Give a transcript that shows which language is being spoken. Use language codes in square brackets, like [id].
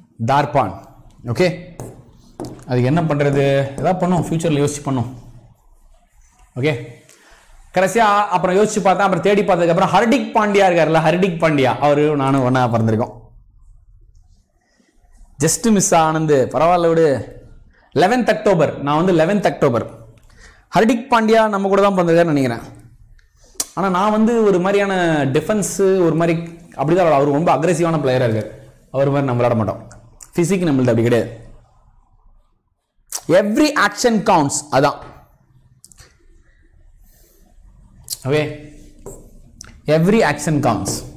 [ta] தார்பான், okay, அது என்ன பண்ணுறது, ஏதாவது பண்ணும், ஃபியூச்சரில் யோசிச்சு பண்ணும். ஓகே, கடைசியாக அப்புறம் யோசிச்சு பார்த்தா அப்புறம் தேடி பார்த்ததுக்கப்புறம் ஹர்திக் பாண்டியா இருக்கார்ல, ஹர்திக் பாண்டியா, அவர் நானும் ஒன்றா பிறந்திருக்கோம். ஜஸ்ட் மிஸ் ஆனந்த், பரவாயில்ல விடு. 11th October, நான் வந்து 11th October. ஹர்திக் பாண்டியா நம்ம கூட தான் பிறந்ததுன்னு நினைக்கிறேன். ஆனால் நான் வந்து ஒரு மாதிரியான டிஃபென்ஸு ஒரு மாதிரி அப்படி தான், அவர் ரொம்ப அக்ரெசிவான பிளேயராக இருக்கார், அவர் மாதிரி நம்ம விளாட மாட்டோம். ஃபிசிக் நம்மள்ட்ட அப்படி கிடையாது, [en] Every action counts. அதான் okay, every action counts.